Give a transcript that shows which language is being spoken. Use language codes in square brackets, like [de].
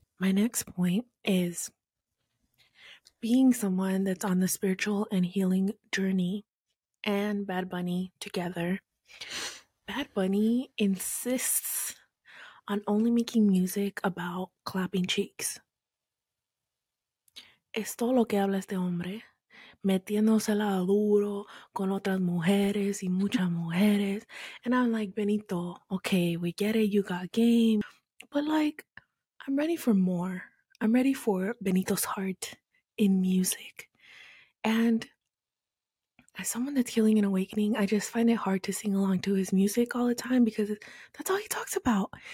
[en] My next point is, being someone that's on the spiritual and healing journey and Bad Bunny together, Bad Bunny insists on only making music about clapping cheeks. [es] Esto lo que habla este hombre, metiéndosela duro con otras mujeres y muchas mujeres. [en] And I'm like, Benito, okay, we get it, you got game. But like, I'm ready for more. I'm ready for Benito's heart in music. And as someone that's healing and awakening, I just find it hard to sing along to his music all the time because that's all he talks about.